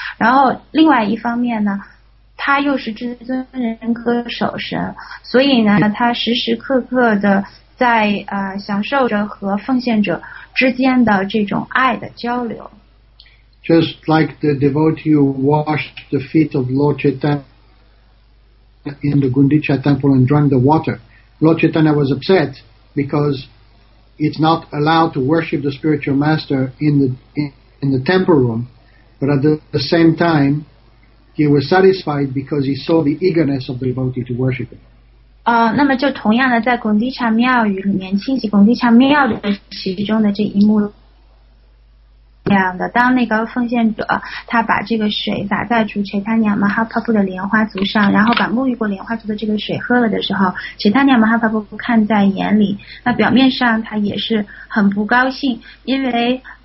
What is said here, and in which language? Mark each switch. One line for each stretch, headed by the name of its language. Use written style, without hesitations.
Chinese: 然后另外一方面呢，他又是至尊人格守神，所以呢，他时时刻刻的在享受着和奉献者之间的这种爱的交流。
English: Just like the devotee who washed the feet of Lord Chaitanya in the Gundicha temple and drank the water, Lord Chaitanya was upset because it's not allowed to worship the spiritual master in the temple room. But at the same time, he was satisfied because he saw the eagerness of the devotee to worship him.
Chinese: 那么就同样的，在贡迪查庙宇里面，清洗贡迪查庙的其中的这一幕，这样的，当那个奉献者他把这个水洒在主切他尼亚马哈帕布的莲花足上，然后把沐浴过莲花足的这个水喝了的时候，切他尼亚马哈帕布看在眼里，那表面上他也是很不高兴，因为